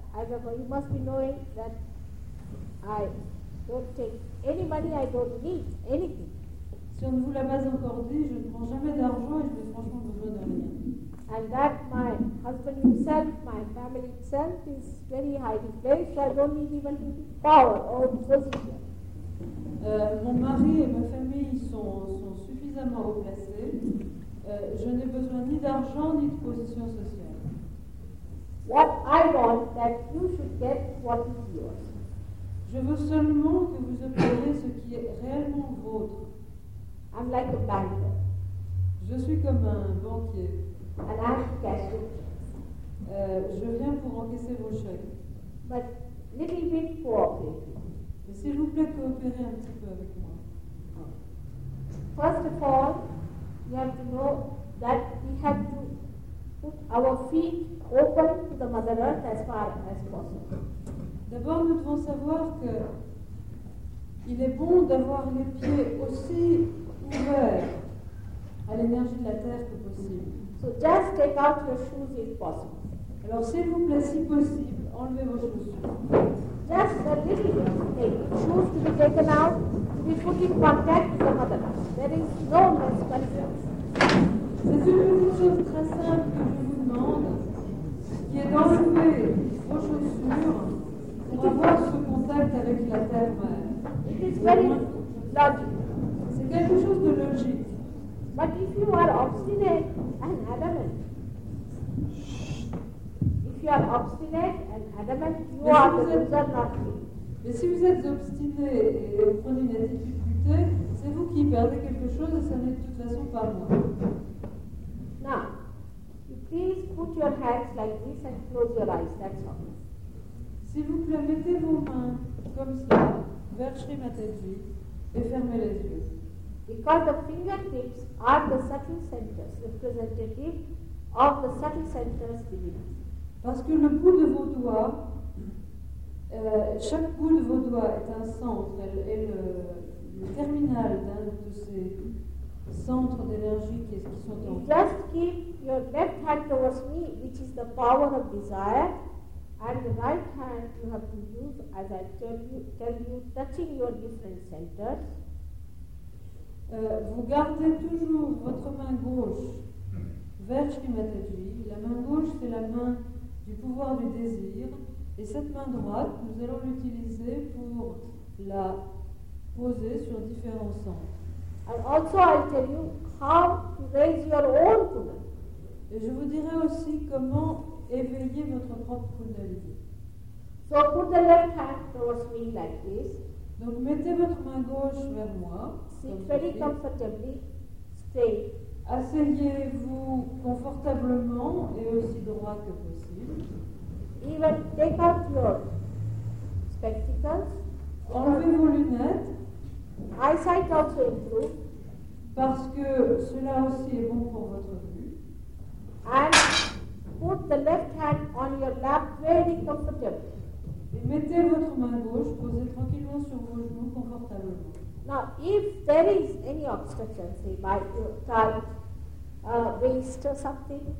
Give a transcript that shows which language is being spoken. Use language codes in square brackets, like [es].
[en] You must be knowing that I don't take any money, I don't need anything. [fr] Si on ne vous l'a pas encore dit, je ne prends jamais d'argent et je n'ai franchement besoin de rien. [en] And that my husband himself, my family itself, is very highly placed. I don't need even power or position. [fr] Mon mari et ma famille sont suffisamment haut placés. Je n'ai besoin ni d'argent ni de position sociale. [en] What I want that you should get what is yours. [fr] Je veux seulement que vous obteniez ce qui est réellement vôtre. [en] I'm like a banker. [fr] Je suis comme un banquier. [en] And I have to cash your checks. [fr] Je viens pour encaisser vos chèques. [en] But little bit cooperative. [fr] S'il vous plaît, coopérez un petit peu avec moi. [en] First of all, we have to know that we have to put our feet open to the Mother Earth as far as possible. [fr] D'abord, nous devons savoir que il est bon d'avoir les pieds aussi ouverts à l'énergie de la Terre que possible. [en] So just take out your shoes if possible. [fr] Alors, s'il vous plaît, si possible, enlevez vos chaussures. [en] Just a little bit. Shoes to be taken out, to be put in contact with the Mother Earth. There is no less concern. [fr] C'est une petite chose très simple que je vous demande, qui est d'enlever vos chaussures pour avoir ce contact avec la Terre mère. [en] It is very logical. [fr] C'est quelque chose de logique. [en] But if you are obstinate and adamant, if you are obstinate and adamant, you [fr] mais [en] are [fr] si [en] the loser, not me. [fr] Mais si vous êtes obstiné et vous prenez une attitude lutteuse, c'est vous qui perdez quelque chose et ça n'est de toute façon pas moi. [en] Now, you please put your hands like this and close your eyes, that's all. [fr] S'il vous plaît, mettez vos mains comme cela, vers Shri Mataji, et fermez les yeux. [en] Because the fingertips are the subtle centers, representative of the subtle centers divine. [fr] Parce que le bout de vos doigts, chaque bout de vos doigts est un centre, est le terminal d'un de ces centres d'énergie qui sont en. [en] Just keep your left hand towards me, which is the power of desire, and the right hand you have to use, as I tell you, touching your different centers. [fr] Vous gardez toujours votre main gauche vers Shri Mataji. La main gauche, c'est la main du pouvoir du désir, et cette main droite, nous allons l'utiliser pour la poser sur différents centres. [en] And also I'll tell you how to raise your own kundalini. [fr] Et je vous dirai aussi comment éveiller votre propre kundalini. [en] So put the left hand towards me like this. [fr] Donc mettez votre main gauche vers moi. [en] Sit very comfortably, stay. [fr] Asseyez-vous confortablement et aussi droit que possible. [en] Even take out your spectacles. [fr] Enlevez vos lunettes. [en] Eyesight also improves. [fr] Parce que cela aussi est bon pour votre vue. [en] And put the left hand on your lap very comfortably. [fr] Et mettez votre main gauche, posez tranquillement sur vos genoux confortablement. [en] Now, if there is any obstruction, say by your tight waist or something,